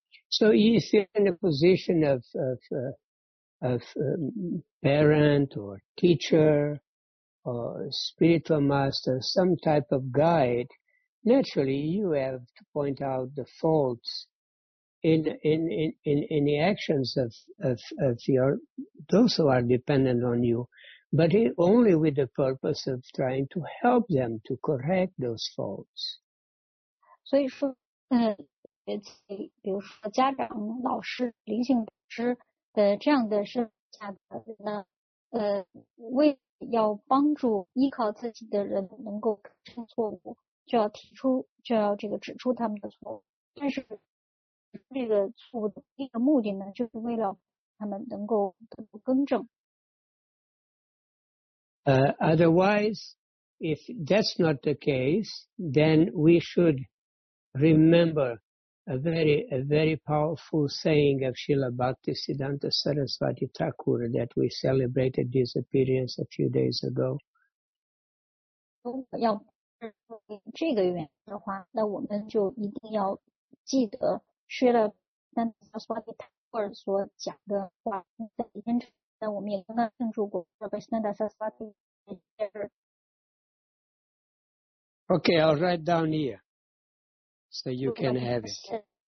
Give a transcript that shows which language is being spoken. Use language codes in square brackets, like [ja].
[en] So he's in the position of parent or teacher or spiritual master, some type of guide. Naturally, you have to point out the faults in the actions of your those who are dependent on you, but only with the purpose of trying to help them to correct those faults. [zh] 所以说，比如说家长、老师、灵性导师的这样的身份下的人呢，为要帮助依靠自己的人能够改正错误，就要这个指出他们的错误。但是这个错误的一个目的呢，就是为了他们能够得到更正。 [en] Otherwise, if that's not the case, then we should remember a very powerful saying of Srila Bhaktisiddhanta Sarasvati Thakur that we celebrated this appearance a few days ago. [zh] 如果要这个原因的话，那我们就一定要记得 Srila Bhaktisiddhanta Sarasvati Thakur 所讲的话。在以前，那我们也刚刚庆祝过 Srila Bhaktisiddhanta Sarasvati。 [en] Okay, I'll write down here so you can have it.